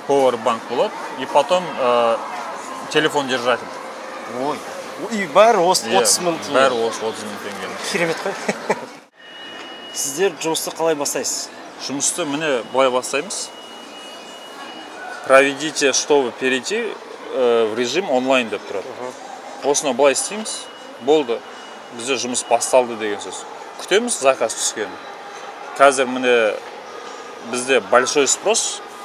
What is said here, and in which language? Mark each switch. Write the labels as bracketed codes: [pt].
[ru] Powerbank [kk] болады. [ru] И потом телефон держатель. [kk] Ой. И бәрі осы 30 мың теңге. Бәрі осы 30 мың теңге. Керемет қой. Сіздер жұмысты қалай бастайсыз? Жұмысты міне былай бастаймыз. [ru] Проведите, чтобы перейти в режим онлайн [kk] деп тұрады. Осыны былай істейміз. Болды. Бізде жұмыс басталды деген сөз. Күтеміз заказ түскенін. Қазір міне бізде [ru] большой спрос.